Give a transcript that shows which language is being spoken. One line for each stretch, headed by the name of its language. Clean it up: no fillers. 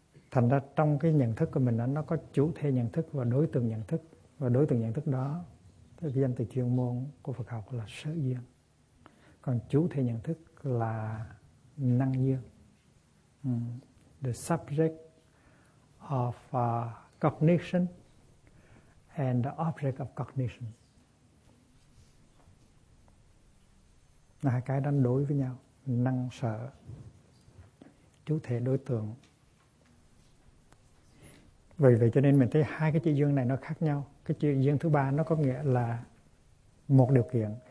Vietnamese: Thành ra trong cái nhận thức của mình đó, nó có chủ thể nhận thức và đối tượng nhận thức. Và đối tượng nhận thức đó, theo cái danh từ chuyên môn của Phật học là sở duyên. Còn chủ thể nhận thức là năng duyên.
English: The subject of cognition and the object of cognition.
Vietnamese: Là hai cái đánh đối với nhau. Năng sở, chủ thể đối tượng. Vì vậy cho nên mình thấy hai cái chữ duyên này nó khác nhau. Cái chữ duyên thứ ba nó có nghĩa là một điều kiện.